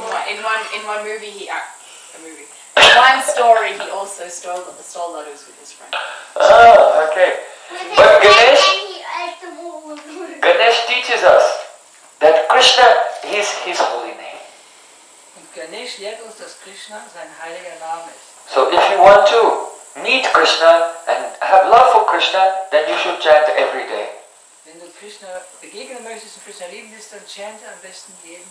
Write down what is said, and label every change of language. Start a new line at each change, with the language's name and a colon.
English: In one story, he also stole lotus with his friend. Okay. But Ganesh teaches us that Krishna is his holy name.
German: Ganesh lehrt uns, dass Krishna sein heiliger Name ist.
English: So if you want to meet Krishna and have love for Krishna, then you should chant every day.
German: Wenn du Krishna begegnen möchtest und Krishna lieben willst, dann chante am besten jeden.